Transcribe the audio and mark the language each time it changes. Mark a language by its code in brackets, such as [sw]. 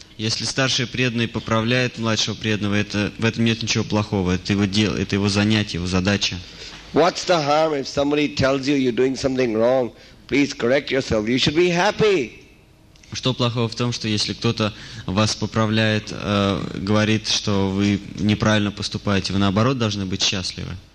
[ru] Если старший преданный поправляет младшего преданного, это в этом нет ничего плохого. Это его дело, это его занятие, его задача. [en] What's the harm if somebody tells you you're doing something wrong? Please correct yourself. You should be happy. [ru] Что плохого в том, что если кто-то вас поправляет, говорит, что вы неправильно поступаете, вы наоборот должны быть счастливы.